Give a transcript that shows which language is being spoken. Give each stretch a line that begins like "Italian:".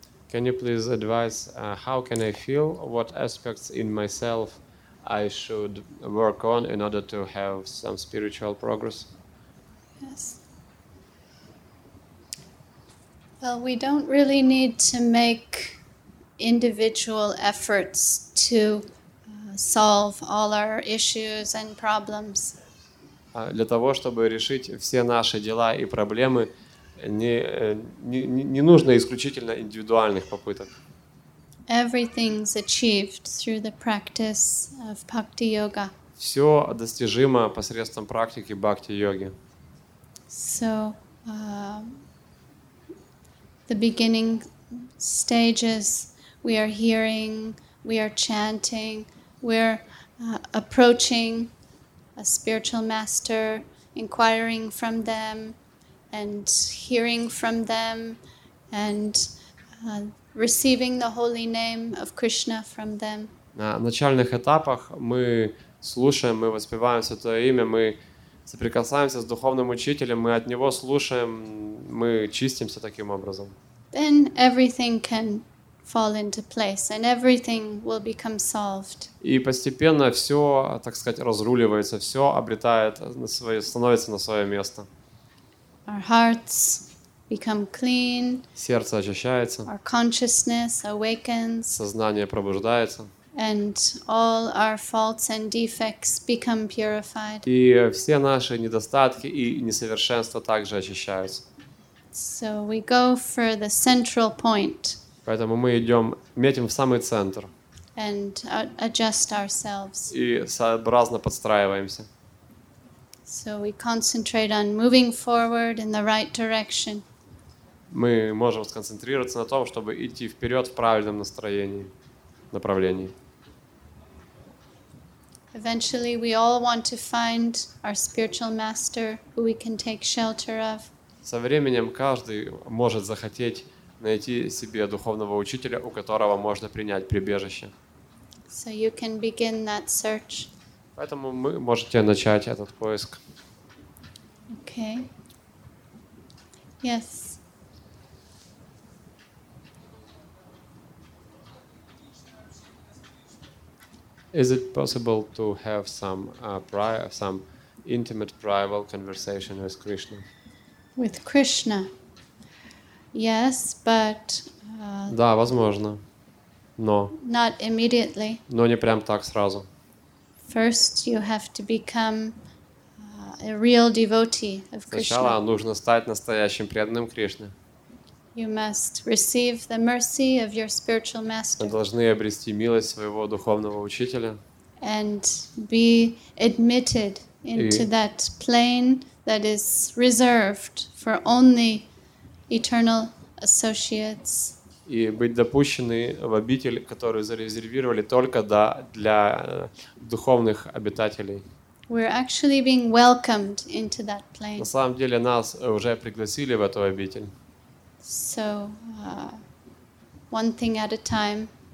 English: Can you please advise how can I feel, what aspects in myself I should work on in order to have some spiritual progress? Yes. Well, we don't really need to make individual efforts to solve all our issues and problems.
Russian: Для того, чтобы решить все наши дела и проблемы, не нужно исключительно индивидуальных попыток.
English: Everything's achieved through the practice of bhakti yoga.
Russian: Все достижимо посредством практики бхакти йоги.
English: So, the beginning stages, we are hearing, we are chanting, we're approaching a spiritual master, inquiring from them and hearing from them and receiving the holy name of Krishna from them.
Russian: На начальных этапах мы слушаем, мы воспеваем святое имя, мы соприкасаемся с духовным учителем, мы от него слушаем, мы чистимся таким образом.
English: Then everything can fall into place and everything will become solved.
Russian: И постепенно все, так сказать, разруливается, все обретает на свое, становится на свое место.
English: Our hearts become clean.
Russian: Сердце очищается.
English: Our consciousness awakens.
Russian: Сознание пробуждается.
English: And all our faults and defects become purified.
Russian: И все наши недостатки и несовершенства также очищаются.
English: So we go for the central point.
Russian: Поэтому мы идем, метим в самый центр.
English: And adjust ourselves.
Russian: И сообразно подстраиваемся.
English: So we concentrate on moving forward in the right direction.
Russian: Мы можем сконцентрироваться на том, чтобы идти вперед в правильном направлении.
English: Eventually, we all want to find our spiritual master who we can take shelter of.
Russian: Со временем каждый может захотеть найти себе духовного учителя, у которого можно принять прибежище.
English: So you can begin that search.
Russian: Поэтому вы можете начать этот поиск.
English: Okay. Yes. Is it possible to have some intimate private conversation with Krishna? With Krishna. Yes, but
Russian: Да, возможно. Но
English: Not immediately.
Russian: Но не прямо так сразу.
English: First you have to become a real devotee of Krishna.
Russian: Сначала нужно стать настоящим преданным Кришне.
English: You must receive the mercy of your spiritual master.
Russian: Вы должны обрести милость своего духовного учителя.
English: And be admitted into that plane that is reserved for only eternal associates.
Russian: И быть допущены в обитель, которую зарезервировали только для духовных обитателей.
English: We're actually being welcomed into that plane.
Russian: На самом деле нас уже пригласили в эту обитель.
English: So, one thing at a time.